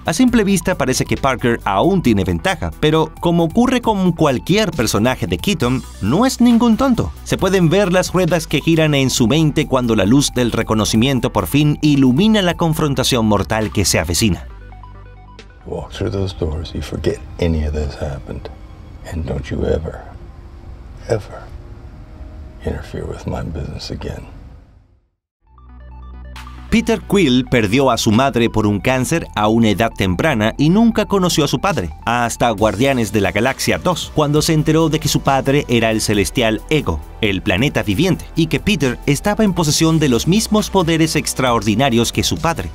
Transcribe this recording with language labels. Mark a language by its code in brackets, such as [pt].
[es] A simple vista parece que Parker aún tiene ventaja, pero como ocurre con cualquier personaje de Keaton, no es ningún tonto. Se pueden ver las ruedas que giran en su mente cuando la luz del reconocimiento por fin ilumina la confrontación mortal que se avecina. [en] Walk through those doors, you forget any of this happened, and don't you ever, ever interfere with my business again. [es] Peter Quill perdió a su madre por un cáncer a una edad temprana y nunca conoció a su padre, hasta Guardianes de la Galaxia 2, cuando se enteró de que su padre era el Celestial Ego, el planeta viviente, y que Peter estaba en posesión de los mismos poderes extraordinarios que su padre.